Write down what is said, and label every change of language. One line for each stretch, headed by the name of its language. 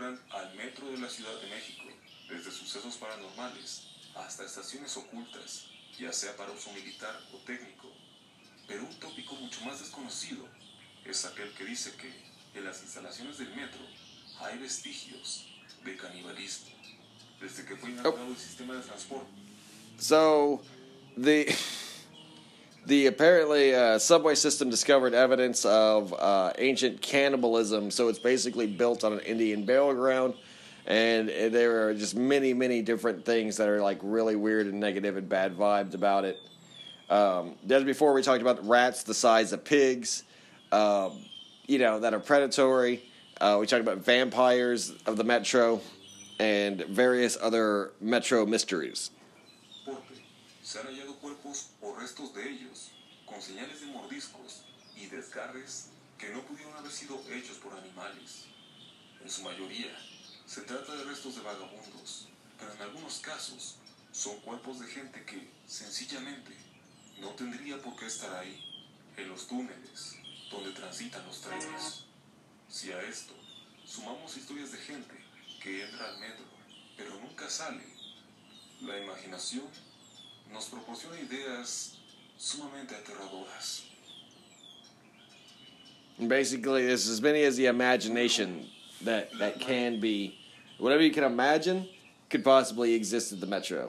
Spanish: Al metro de la Ciudad de México, desde sucesos paranormales hasta estaciones ocultas, ya sea para uso militar o técnico. Pero un tópico mucho más desconocido es aquel que dice que en las instalaciones del metro hay vestigios de canibalismo desde que fue inaugurado el sistema de transporte.
English: So, the apparently subway system discovered evidence of ancient cannibalism. So it's basically built on an Indian burial ground, and there are just many, many different things that are like really weird and negative and bad vibes about it. As before, we talked about rats the size of pigs, you know, that are predatory. We talked about vampires of the metro and various other metro mysteries.
Spanish: Se han hallado cuerpos o restos de ellos con señales de mordiscos y desgarres que no pudieron haber sido hechos por animales. En su mayoría, se trata de restos de vagabundos, pero en algunos casos son cuerpos de gente que, sencillamente, no tendría por qué estar ahí, en los túneles donde transitan los trenes. Si a esto sumamos historias de gente que entra al metro, pero nunca sale, la imaginación nos proporciona ideas sumamente aterradoras.
English: Basically, there's as many as the imagination that can be. Whatever you can imagine could possibly exist at the Metro.